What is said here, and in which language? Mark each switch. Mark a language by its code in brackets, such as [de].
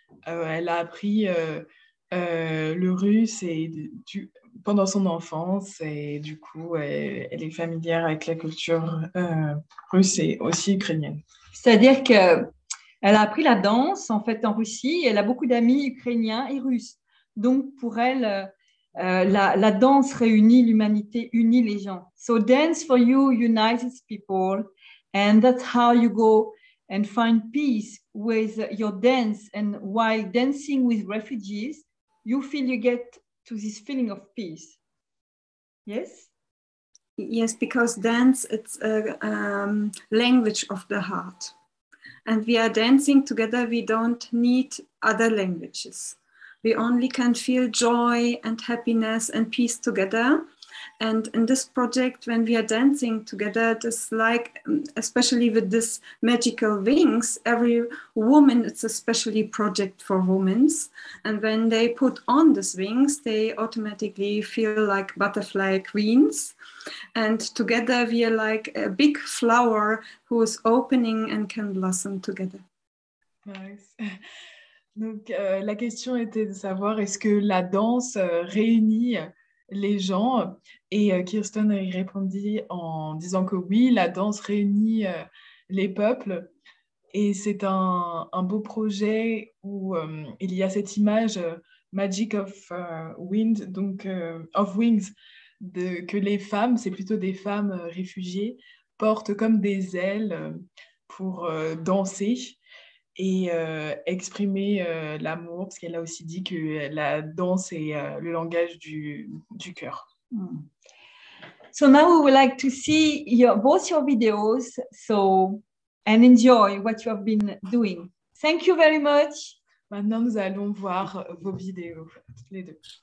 [fr] Elle a appris le russe et pendant son enfance, et du coup, elle est familière avec la culture russe et aussi ukrainienne. C'est-à-dire qu'elle a appris la danse en fait en Russie, elle a beaucoup d'amis ukrainiens et russes. Donc, pour elle, la danse réunit l'humanité, unit les gens. [en] So, dance for you unites people, and that's how you go and find peace with your dance. And while dancing with refugees, you feel you get to this feeling of peace. Yes? Yes, because dance, it's a language of the heart. And we are dancing together, we don't need other languages. We only can feel joy and happiness and peace together. And in this project, when we are dancing together, it is like, especially with this magical wings, every woman, it's a specially project for women. And when they put on these wings, they automatically feel like butterfly queens. And together we are like a big flower who is opening and can blossom together. Nice. [fr] Donc, la question était de savoir est-ce que la danse réunit les gens, et Kirsten y répondit en disant que oui, la danse réunit les peuples, et c'est un beau projet où il y a cette image Magic of Wind, donc of Wings, que les femmes, c'est plutôt des femmes réfugiées, portent comme des ailes pour danser et exprimer l'amour, parce qu'elle a aussi dit que la danse est le langage du cœur. Mm. [en] So now we would like to see both your videos, so, and enjoy what you have been doing. Thank you very much. [fr] Maintenant, nous allons voir vos vidéos, les deux.